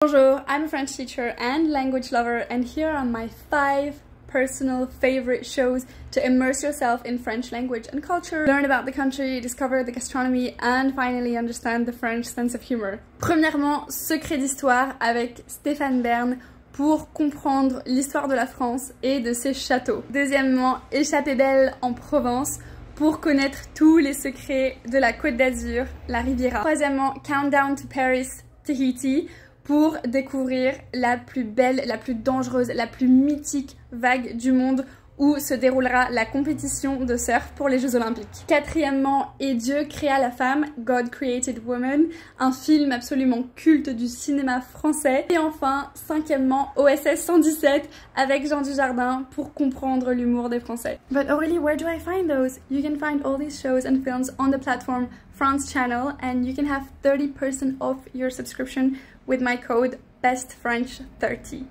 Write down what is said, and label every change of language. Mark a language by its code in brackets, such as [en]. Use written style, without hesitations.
[en] Bonjour, I'm a French teacher and language lover, and here are my 5 personal favorite shows to immerse yourself in French language and culture, learn about the country, discover the gastronomy, and finally understand the French sense of humor. [fr] Premièrement, Secret d'Histoire avec Stéphane Bern pour comprendre l'histoire de la France et de ses châteaux. Deuxièmement, Échappée Belle en Provence pour connaître tous les secrets de la Côte d'Azur, la Riviera. Troisièmement, Countdown to Paris, Tahiti, pour découvrir la plus belle, la plus dangereuse, la plus mythique vague du monde où se déroulera la compétition de surf pour les Jeux Olympiques. Quatrièmement, Et Dieu créa la femme, God Created Woman, un film absolument culte du cinéma français. Et enfin, cinquièmement, OSS 117 avec Jean Dujardin pour comprendre l'humour des Français. [en] But Aurélie, where do I find those? You can find all these shows and films on the platform France Channel and you can have 30% off your subscription with my code BESTFRENCH30.